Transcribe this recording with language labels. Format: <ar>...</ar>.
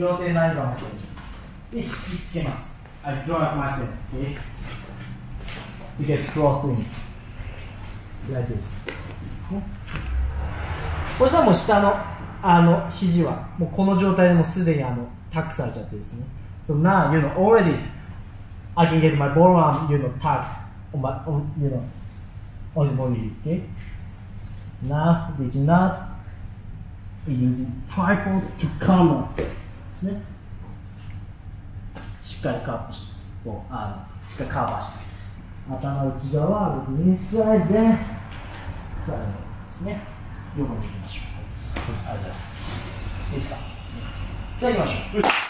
<ja>両手ないかもしれない。で、引きつけます。</ja> <en>I draw up myself, okay? To get close to me. Like this.</en> <ja>こしたらもう下の、あの、肘は、もうこの状態でもすでにあの、タックされちゃってですね。</ja> <en>So now, you know, already, I can get my ball arm, you know, tucked on my, on, you know, on his body, okay? Now, we do not use tripod to come up.</en> <ja>しっかりカップして、こう、あの、しっかりカバーして。頭内側は右スライドで、さらにですね、横に行きましょう。ありがとうございます。いいですか？じゃあ行きましょう。</ja>